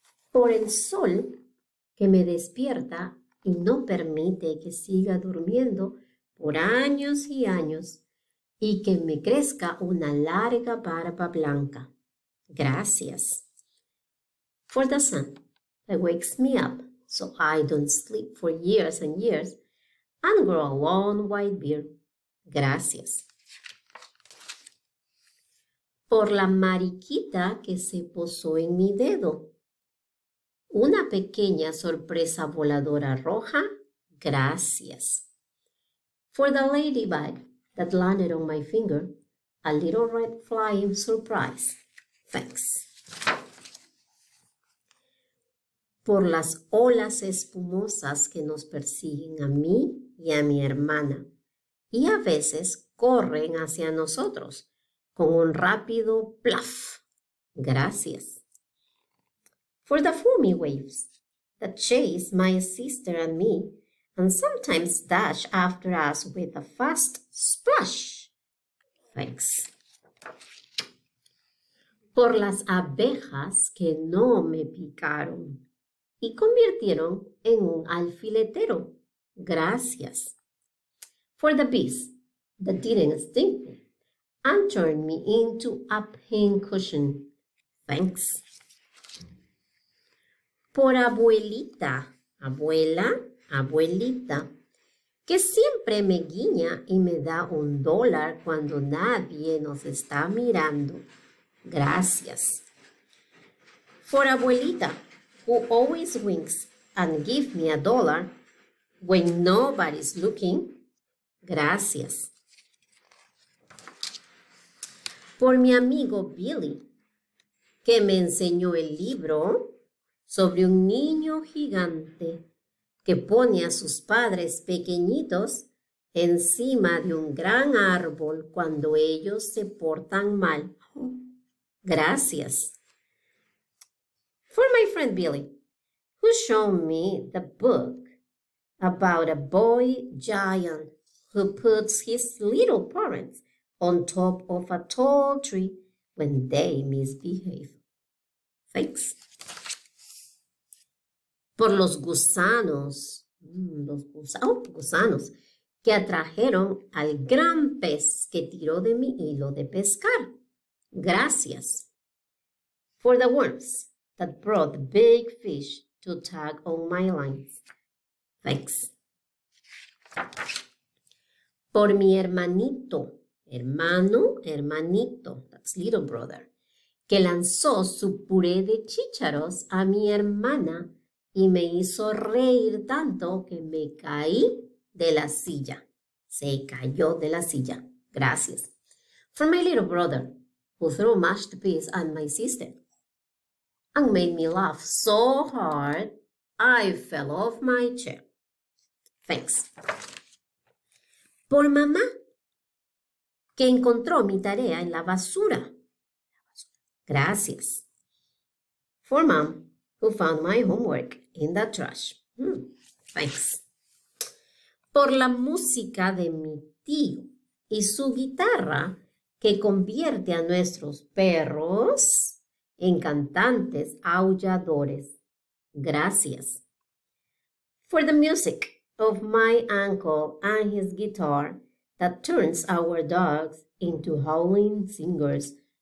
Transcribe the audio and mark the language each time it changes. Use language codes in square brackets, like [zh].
[es] Por el sol que me despierta y no permite que siga durmiendo por años y años y que me crezca una larga barba blanca. Gracias. [en] For the sun that wakes me up so I don't sleep for years and years and grow a long white beard. [es] Gracias. Por la mariquita que se posó en mi dedo. Una pequeña sorpresa voladora roja. Gracias. [en] For the ladybug that landed on my finger, a little red flying surprise. Thanks. [es] Por las olas espumosas que nos persiguen a mí y a mi hermana, y a veces corren hacia nosotros con un rápido plaf. Gracias. [en] For the foamy waves that chase my sister and me and sometimes dash after us with a fast splash. Thanks. [es] Por las abejas que no me picaron y convirtieron en un alfiletero. Gracias. [en] For the bees that didn't sting and turned me into a pin cushion. Thanks. [es] Por abuelita, abuela, abuelita, que siempre me guiña y me da $1 cuando nadie nos está mirando. Gracias. [en] For abuelita, who always winks and gives me a dollar when nobody's looking. [es] Gracias. Por mi amigo Billy, que me enseñó el libro sobre un niño gigante que pone a sus padres pequeñitos encima de un gran árbol cuando ellos se portan mal. Gracias. [en] For my friend Billy, who showed me the book about a boy giant who puts his little parents on top of a tall tree when they misbehave. Thanks. [es] Por los gusanos, gusanos que atrajeron al gran pez que tiró de mi hilo de pescar. Gracias. [en] For the worms that brought the big fish to tag on my lines. Thanks. [es] Por mi hermanito, hermano, hermanito, [en] that's little brother, [es] que lanzó su puré de chícharos a mi hermana y me hizo reír tanto que me caí de la silla. Se cayó de la silla. Gracias. [en] For my little brother, who threw mashed peas at my sister and made me laugh so hard, I fell off my chair. Thanks. [es] Por mamá, que encontró mi tarea en la basura. Gracias. [en] For mom, who found my homework in the trash. Thanks. [es] Por la música de mi tío y su guitarra, que convierte a nuestros perros en cantantes aulladores. Gracias. [en] For the music of my uncle and his guitar that turns our dogs into howling singers.